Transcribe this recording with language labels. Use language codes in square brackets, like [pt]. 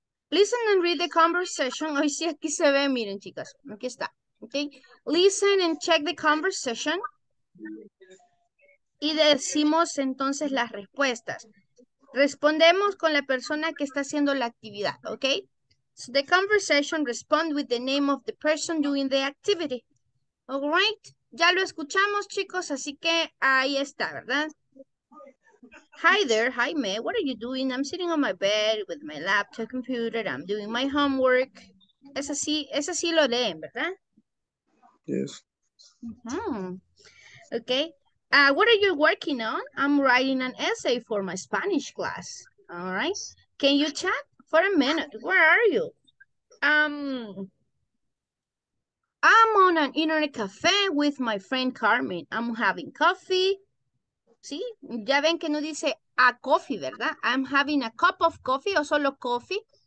[en] Listen and read the conversation. [es] Hoy sí aquí se ve, miren, chicas, aquí está, ¿ok? [en] Listen and check the conversation. [es] Y decimos entonces las respuestas. Respondemos con la persona que está haciendo la actividad, ¿ok? [en] So the conversation, respond with the name of the person doing the activity. All right, [es] ya lo escuchamos, chicos, así que ahí está, ¿verdad? [en] Hi there, hi me, what are you doing? I'm sitting on my bed with my laptop computer, I'm doing my homework. [es] Es así lo leen, ¿verdad? [en] Yes. Okay, what are you working on? I'm writing an essay for my Spanish class. All right, can you chat for a minute? Where are you? I'm on an internet cafe with my friend Carmen. I'm having coffee. ¿Sí? [es] Ya ven que no dice a coffee, ¿verdad? [en] I'm having a cup of coffee o solo coffee.